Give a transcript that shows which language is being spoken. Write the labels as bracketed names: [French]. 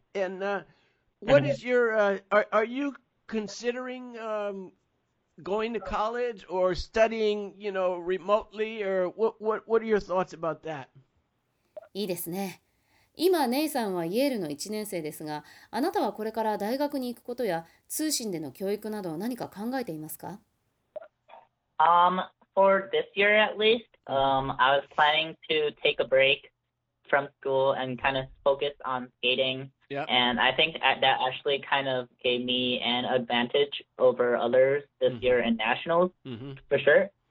[English] And what is your are you considering going to college or studying, remotely, or what are your thoughts about that? [Japanese] いいですね。今、ネイさんはイェールの1年生ですが、あなたはこれから大学に行くことや、通信での教育など何か考えていますか？ [English] For this year at least, I was planning to take a break from school and kind of focus on skating. And I think that actually kind of gave me an advantage over others this year in nationals, for sure.